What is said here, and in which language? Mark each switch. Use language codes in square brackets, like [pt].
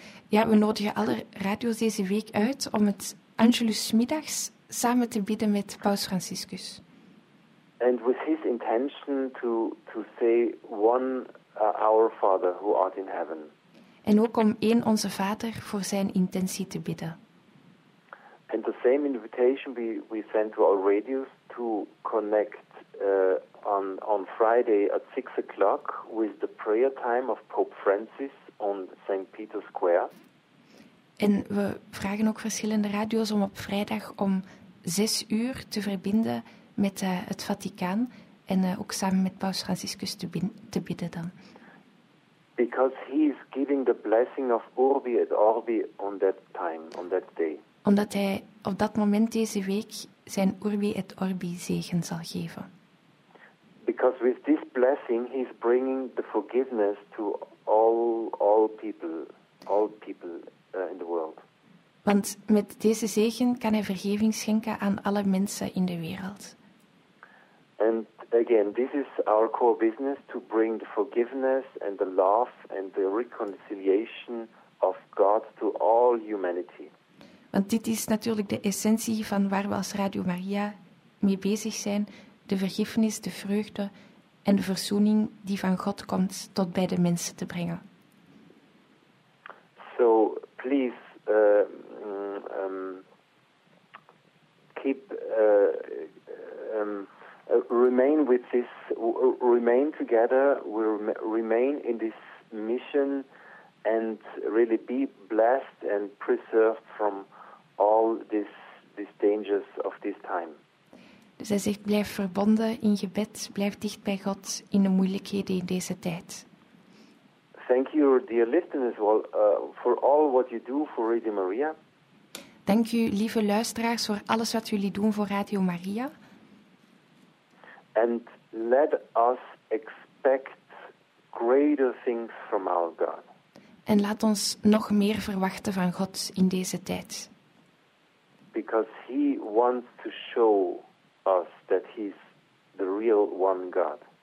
[nl] We nodigen alle radio's deze week uit om het Angelus middags samen te bidden met Paus Franciscus. [en] And with his intention to say one our Father who art in heaven. [nl] En ook om één onze Vader voor zijn intentie te bidden. [en] And the same invitation we send to our radios to connect on Friday at 6 o'clock with the prayer time of Pope Francis on St. Peter's Square. [nl] En we vragen ook verschillende radio's om op vrijdag om 6 uur te verbinden met het Vaticaan en ook samen met Paus Franciscus te bidden dan. [en] Because he is giving the blessing of Urbi et Orbi on that time, on that day. [nl] Omdat hij op dat moment deze week zijn Urbi et Orbi zegen zal geven. [en] Because with this blessing he is bringing the forgiveness to all people in the world. [nl] Want met deze zegen kan hij vergeving schenken aan alle mensen in de wereld. [en] And again, this is our core business, to bring the forgiveness and the love and the reconciliation of God to all humanity. [nl] Want dit is natuurlijk de essentie van waar we als Radio Maria mee bezig zijn, de vergiffenis, de vreugde en de verzoening die van God komt tot bij de mensen te brengen. [en] So, please, remain with this, remain together, remain in this mission and really be blessed and preserved from all these dangers of this time. [nl] Dus hij zegt, blijf verbonden in gebed, blijf dicht bij God in de moeilijkheden in deze tijd. [en] Thank you, dear listeners, for all what you do for Radio Maria. [nl] Dank u, lieve luisteraars, voor alles wat jullie doen voor Radio Maria. [en] And let us expect greater things from our God. [nl] En laat ons nog meer verwachten van God in deze tijd. [en] Because he wants to show us that he's the real one God.